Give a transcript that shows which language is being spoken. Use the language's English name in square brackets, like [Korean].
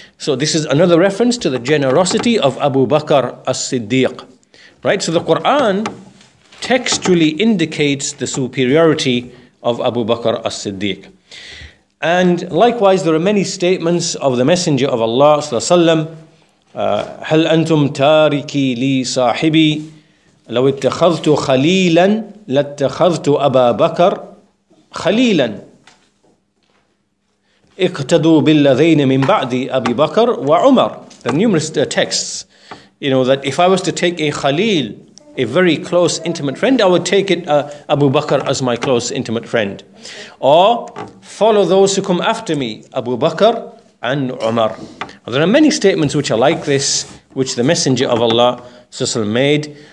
[English] So this is another reference to the generosity of Abu Bakr as-Siddiq. Right? So the Quran textually indicates the superiority of Abu Bakr as-Siddiq. And likewise, there are many statements of the Messenger of Allah sallallahu alaihi wasallam. [Arabic] هل أنتم تاركي لي صاحبي لو اتخذت خليلا لاتخذت أبا بكر خليلا اقتدوا بالذين من بعدي أبي بكر وعمر. [English] The numerous texts, that if I was to take a khalil, a very close intimate friend, I would take it Abu Bakr as my close intimate friend. Or follow those who come after me, Abu Bakr and Umar. There are many statements which are like this, which the Messenger of Allah made.